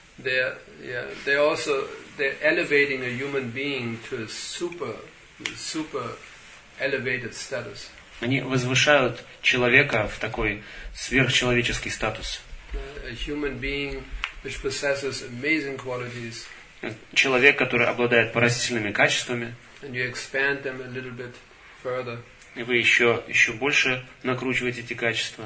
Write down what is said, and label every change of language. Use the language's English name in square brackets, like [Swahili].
[English] They also they're elevating a human being to a super elevated status. [Russian] Они возвышают человека в такой сверхчеловеческий статус. [English] A human being which possesses amazing qualities. [Russian] Человек, который обладает поразительными качествами. [English] And you expand them a little bit further. [Russian] И вы еще больше накручиваете эти качества.